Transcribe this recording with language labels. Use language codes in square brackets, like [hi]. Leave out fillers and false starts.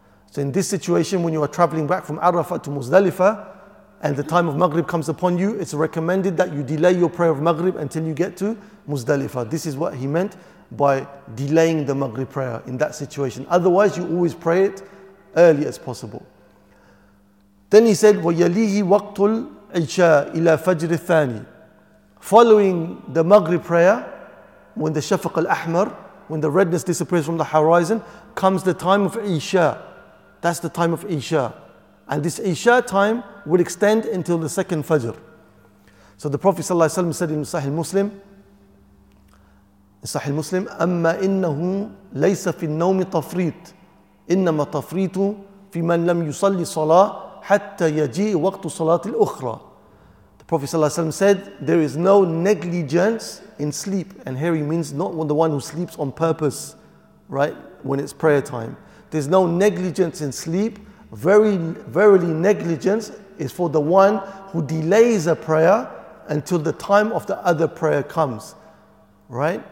[en] So in this situation, when you are traveling back from Arafah to Muzdalifah, and the time of Maghrib comes upon you, it's recommended that you delay your prayer of Maghrib until you get to Muzdalifah. This is what he meant by delaying the Maghrib prayer in that situation. Otherwise, you always pray it early as possible. Then he said, [ar] وَيَلِيهِ وَقْتُ الْعِشَاءِ إِلَى فَجْرِ الثَّانِي. [en] Following the Maghrib prayer, when the Shafiq al-Ahmar, when the redness disappears from the horizon, comes the time of Isha. That's the time of Isha. And this Isha time will extend until the second Fajr. So the Prophet ﷺ said in Sahih Muslim, [ar] أَمَّا إِنَّهُ لَيْسَ فِي النَّوْمِ تَفْرِيطٌ إِنَّمَا تَفْرِيطُ فِي مَنْ لَمْ يُصَلِّ صَلَاةٌ حَتَّى يَجِيءُ وَقْتُ صَلَاةِ الْأُخْرَى. [en] The Prophet ﷺ said, there is no negligence in sleep. And here he means not the one who sleeps on purpose, right, when it's prayer time. There's no negligence in sleep. Verily, negligence is for the one who delays a prayer until the time of the other prayer comes. Right?